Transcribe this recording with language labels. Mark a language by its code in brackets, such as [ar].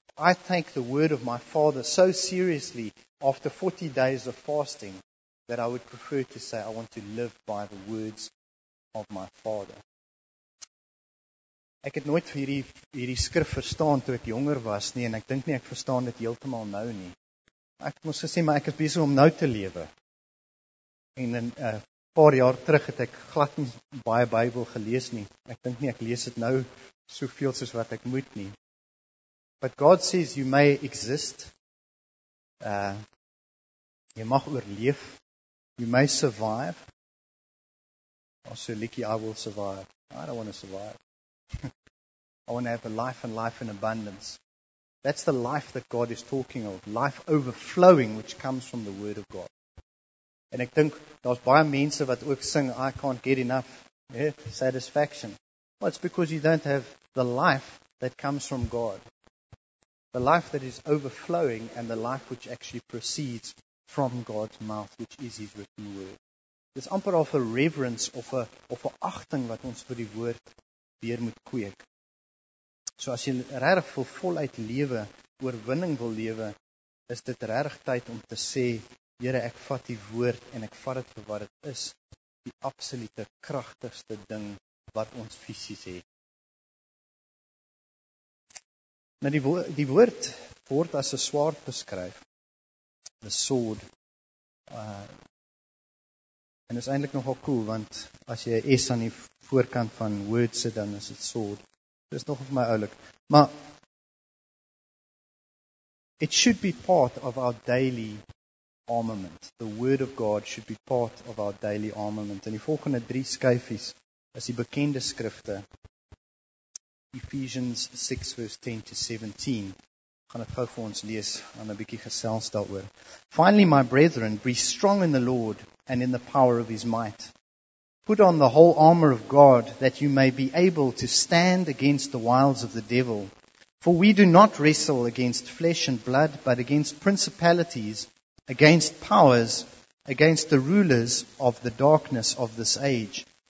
[en] I take the word of my Father so seriously after 40 days of fasting that I would prefer to say I want to live by the words of my Father. [af] Ek het nooit hierdie skrif verstaan toe ek jonger was nie, en ek dink nie ek verstaan dit heeltemal nou nie. Ek moes gesê, maar ek is besig om nou te lewe. En in paar jaar terug het ek glad nie baie Bybel gelees nie. Ek dink nie ek lees dit nou soveel soos wat ek moet nie. [en] But God says you may exist. [af] Jy mag oorleef. [en] You may survive. Also, Licky, I will survive. I don't want to survive. I want to have a life and life in abundance. That's the life that God is talking of. Life overflowing, which comes from the word of God. [af] En ek dink, daar is baie mense wat ook sing, [en] I can't get enough satisfaction. Well, it's because you don't have the life that comes from God. The life that is overflowing and the life which actually proceeds from God's mouth, which is his written word. [af] Dis amper of 'n reverence of 'n achting wat ons vir die woord weer moet kweek. So as jy regtig vir voluit lewe, oorwinning wil lewe, is dit regtig tyd om te sê, Here, ek vat die woord en ek vat dit vir wat dit is, die absolute kragtigste ding wat ons fisies het. Nou die woord word as 'n swaard beskryf, [en] the sword. [af] En is eintlik nogal cool, want as jy 'n S aan die voorkant van word sit, dan is dit sword. Dit is nogal vir my oulik. [en] Maar it should be part of our daily armament. The word of God should be part of our daily armament. [af] En die volgende drie skyfies is die bekende skrifte. [en] Ephesians 6 verse 10 to 17. [af] Gaan het gauw vir ons lees aan 'n bietjie gesels daaroor. [en] Finally, my brethren, be strong in the Lord and in the power of his might. Put on the whole armor of God that you may be able to stand against the wiles of the devil. For we do not wrestle against flesh and blood, but against principalities, against powers, against the rulers of the darkness of this age,